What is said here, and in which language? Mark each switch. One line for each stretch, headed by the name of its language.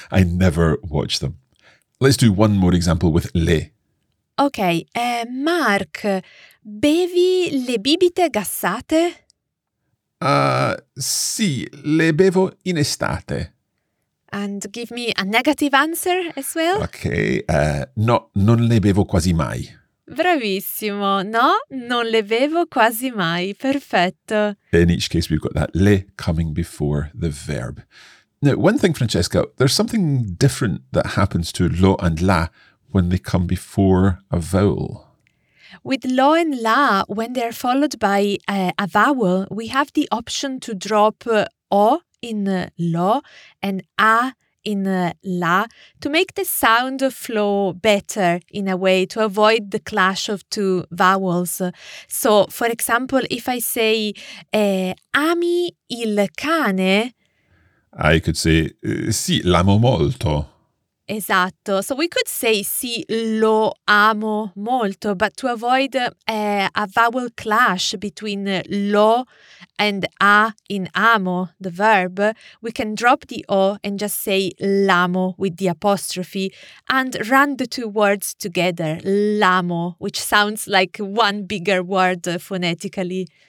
English: I never watch them. Let's do one more example with le.
Italian: Okay, Mark, bevi le bibite gassate? Sì, le bevo in estate.
English: And give me a negative answer as well.
Italian: Okay, no, non le bevo quasi mai. Bravissimo, no, non le bevo quasi mai, perfetto.
English: In each case we've got that le coming before the verb. Now, one thing, Francesca, there's something different that happens to lo and la when they come before a vowel. With lo and la, when they're followed by a vowel, we have the option to drop o in lo and a in la to make the sound flow better in a way, to avoid the clash of two vowels. So, for example, if I say
Italian: ami il cane,
English: I could say
Italian: sì, l'amo molto. Esatto.
English: So we could say
Italian: sì, lo amo molto,
English: but to avoid a vowel clash between lo and a in amo, the verb, we can drop the o and just say l'amo with the apostrophe and run the two words together, l'amo, which sounds like one bigger word phonetically.